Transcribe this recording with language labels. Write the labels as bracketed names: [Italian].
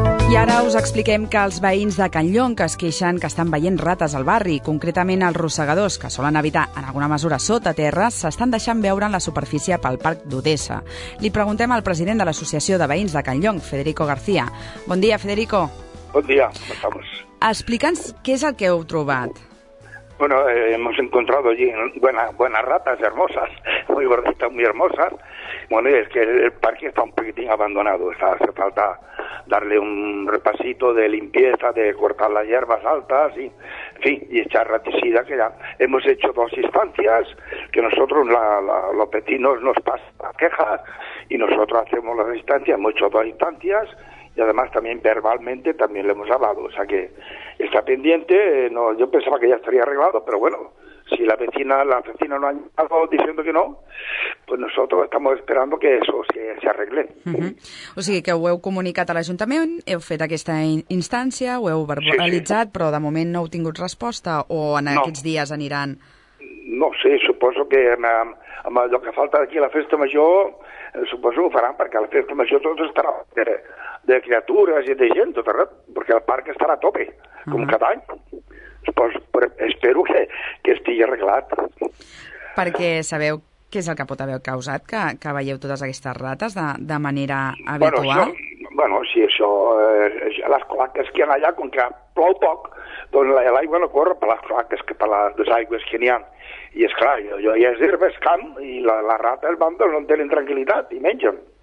[Catalan] I ara us expliquem que els veïns de Can Llong que es queixen que estan veient rates al barri, concretament els rossegadors, que solen habitar en alguna mesura sota terra, s'estan deixant veure en la superfície pel parc d'Odessa. Li preguntem al president de l'Associació de Veïns de Can Llong, Federico García. Bon dia, Federico. Bon dia, com [Spanish] estamos? [Catalan] Explica'ns què és el que heu trobat. [Spanish] Bueno, hemos encontrado allí buenas ratas hermosas, muy gorditas, muy hermosas. Bueno, es que el parque está un poquitín abandonado, hace falta darle un repasito de limpieza, de cortar las hierbas altas y, en fin, y echar raticida, que ya hemos hecho dos instancias, que nosotros, los vecinos nos pasan quejas y nosotros hacemos las instancias, hemos hecho dos instancias y además también verbalmente también le hemos hablado, o sea que está pendiente, no, yo pensaba que ya estaría arreglado, pero bueno, si las vecinas no han estado diciendo que no, pues nosotros estamos esperando que eso se arregle. Uh-huh. [Catalan] O sigui que ho heu comunicat a l'Ajuntament, heu fet aquesta instància, ho heu verbalitzat, sí. Però de moment no heu tingut resposta, o en aquests dies aniran? No sé, sí, suposo que amb allò que falta d'aquí a la Festa Major, suposo que ho faran, perquè a la Festa Major tot estarà de criatures i de gent, tot arreu, perquè el parc estarà a tope, com cada any. Pues, espero que estigui arreglat. Perquè sabeu què és el que pot haver causat que veieu totes aquestes rates de manera habitual? Les cloaques que hi ha allà, com que plou poc, doncs l'aigua no corre per les cloaques, que per les desaigües que n'hi ha. I esclar, jo ja és herba, és camp, i les rates van, doncs, no tenen tranquil·litat i mengen.